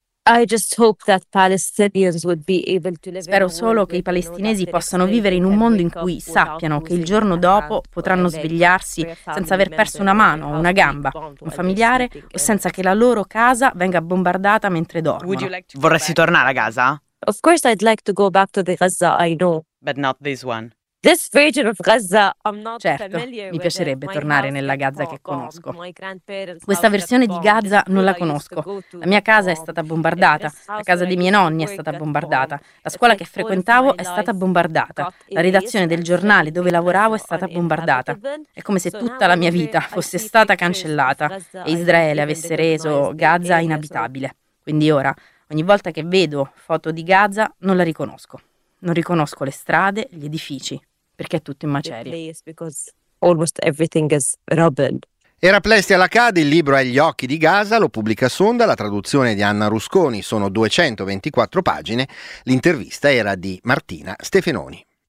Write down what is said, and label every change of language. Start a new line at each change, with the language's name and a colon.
Italian: Spero solo che i palestinesi possano vivere in un mondo in cui sappiano che il giorno dopo potranno svegliarsi senza aver perso una mano, una gamba, un familiare o senza che la loro casa venga bombardata mentre dormono. Vorresti tornare a Gaza?
English: Of course I'd like to go back to the Gaza I know. But not this one. This region of Gaza,
Italian: certo, mi piacerebbe tornare nella Gaza che conosco. Questa versione di Gaza non la conosco. La mia casa è stata bombardata, la casa dei miei nonni è stata bombardata, la scuola che frequentavo è stata bombardata, la redazione del giornale dove lavoravo è stata bombardata. È come se tutta la mia vita fosse stata cancellata e Israele avesse reso Gaza inabitabile. Quindi ora, ogni volta che vedo foto di Gaza, non la riconosco. Non riconosco le strade, gli edifici, perché è tutto in macerie.
English: Almost everything is rubble.
Italian: Era Plesti Alakadi, il libro è Gli occhi di Gaza, lo pubblica Sonda, la traduzione di Anna Rusconi, sono 224 pagine, l'intervista era di Martina Stefenoni.